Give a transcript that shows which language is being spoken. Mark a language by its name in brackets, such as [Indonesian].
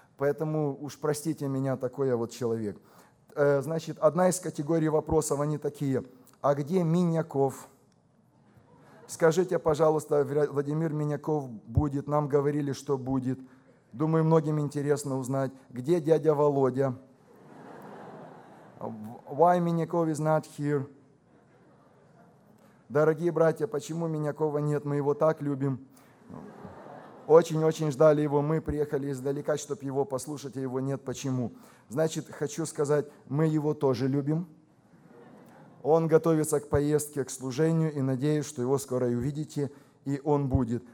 [Russian] Поэтому уж простите меня, такой я вот человек. Значит, одна из категорий вопросов, они такие. А где Миняков? Скажите, пожалуйста, Владимир Миняков будет, нам говорили, что будет. Думаю, многим интересно узнать, где дядя Володя? [English] Why Миняков is not here? [Russian] Дорогие братья, почему Минякова нет? Мы его так любим. Очень-очень ждали его. Мы приехали издалека, чтобы его послушать, а его нет. Почему? Значит, хочу сказать, мы его тоже любим. Он готовится к поездке, к служению, и надеюсь, что его скоро и увидите, и он будет.